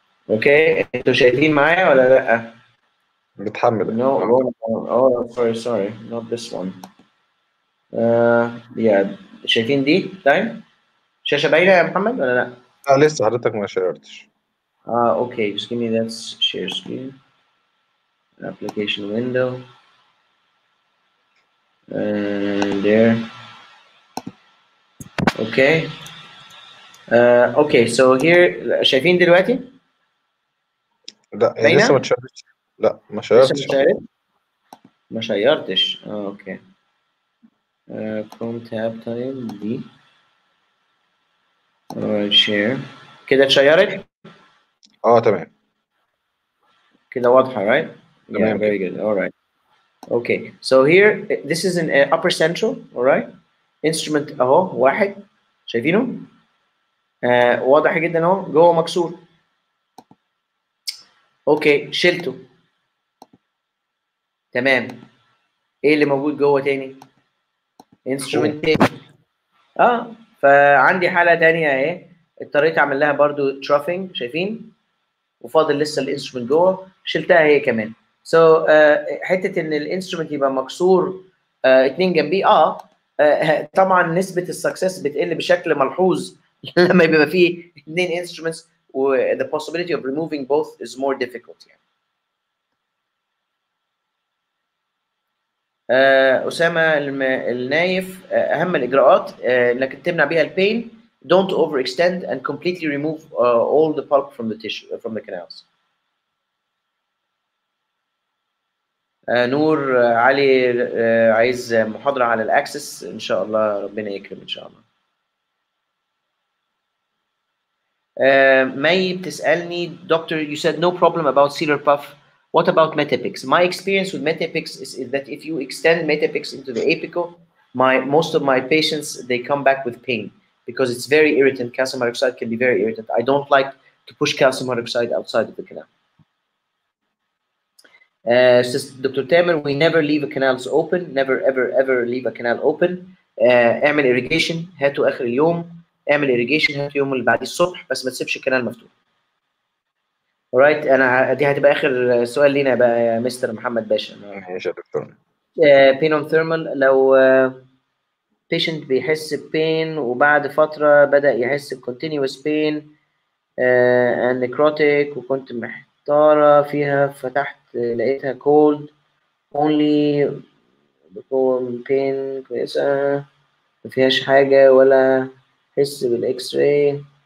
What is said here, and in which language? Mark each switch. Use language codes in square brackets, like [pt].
[ar] Okay, انتوا شايفين معايا ولا لا؟ بتحمل. [en] No, sorry, not this one. [ar] Yeah, شايفين دي؟ تايم؟ شاشة باينة يا محمد ولا لا؟ لسه حضرتك ما شيرتش. [en] Okay, just give me that share screen. Application window. And there. Okay. Okay, so here شايفين دلوقتي؟ [ar] لا هي لسه ما اتشيرتش. لا ما شيرتش. ما شيرتش. اوكي. كروم تاب تايم دي. شير. كده اتشيرت؟ تمام. كده واضحة right؟ تمام. Yeah, [en] very good. All right. Okay, so here this is an upper central, all right? [ar] Instrument اهو واحد شايفينه؟ واضح جدا اهو جوه مكسور. اوكي شلته. تمام. ايه اللي موجود جوه تاني؟ Instrument تاني. فعندي حاله تانيه اهي اضطريت اعمل لها برضو troughing شايفين؟ وفاضل لسه الانسترومنت جوه شلتها هي كمان. So حته ان الانسترومنت يبقى مكسور اتنين جنبيه طبعا نسبه السكسس بتقل بشكل ملحوظ لما بيبقى فيه اتنين انسترومنتس و [en] the possibility of removing both is more difficult [ar] يعني. [en] اسامه النايف [ar] اهم الاجراءات انك تمنع بيها البين [en] don't overextend and completely remove all the pulp from the tissue from the canals. [ar] نور علي عايز محاضرة على الأكسس إن شاء الله ربنا يكرم إن شاء الله. [en] مي [ar] بتسألني دكتور [en] you said no problem about cedar puff what about metapix. My experience with metapix is that if you extend metapix into the apical most of my patients they come back with pain because it's very irritant. Calcium hydroxide can be very irritant. I don't like to push calcium hydroxide outside of the canal. Doctor Tamer, we never leave a canals open, never ever ever leave a canal open. [ar] اعمل irrigation, هاتوا اخر اليوم, اعمل irrigation هاتوا يوم اللي بعد الصبح, بس ما تسيبش الكنال مفتوح. Alright, انا دي هتبقى اخر سؤال لينا بقى يا مستر محمد باشا. ماشي يا دكتور. [en] Pain on thermal, [ar] لو patient بيحس بين وبعد فترة بدأ يحس [en] continuous pain and necrotic [ar] وكنت محتارة فيها, فتحت لقيتها cold only بقوم pain كويسة مفيهاش حاجة ولا حس بالإكس-راي